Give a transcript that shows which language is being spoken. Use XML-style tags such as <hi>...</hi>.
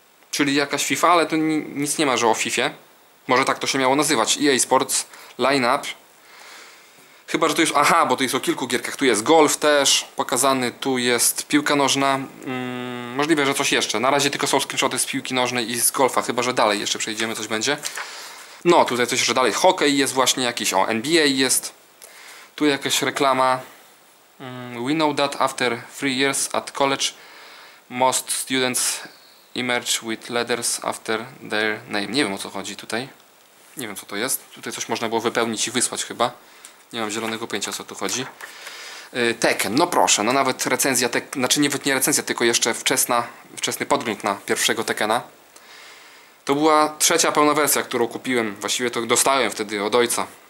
<pl>Czyli jakaś FIFA, ale to nic nie ma, że o FIFA. Może tak to się miało nazywać. EA Sports Lineup. Chyba, że to już. Aha, bo to jest o kilku gierkach. Tu jest golf też pokazany, tu jest piłka nożna. Możliwe, że coś jeszcze. Na razie tylko są screenshoty z piłki nożnej i z golfa. Chyba, że dalej jeszcze przejdziemy, coś będzie. No, tutaj coś jeszcze dalej. Hokej jest właśnie jakiś. O, NBA jest. Tu jakaś reklama.</pl> <en>We know that after 3 years at college, most students emerge with letters after their name.</en> <pl>Nie wiem, o co chodzi tutaj. Nie wiem, co to jest. Tutaj coś można było wypełnić i wysłać chyba. Nie mam zielonego pojęcia, o co tu chodzi. Tekken, no proszę. No nawet recenzja, znaczy nawet nie recenzja, tylko jeszcze wczesny podgląd na pierwszego Tekkena. To była trzecia pełna wersja, którą kupiłem. Właściwie to dostałem wtedy od ojca.</pl>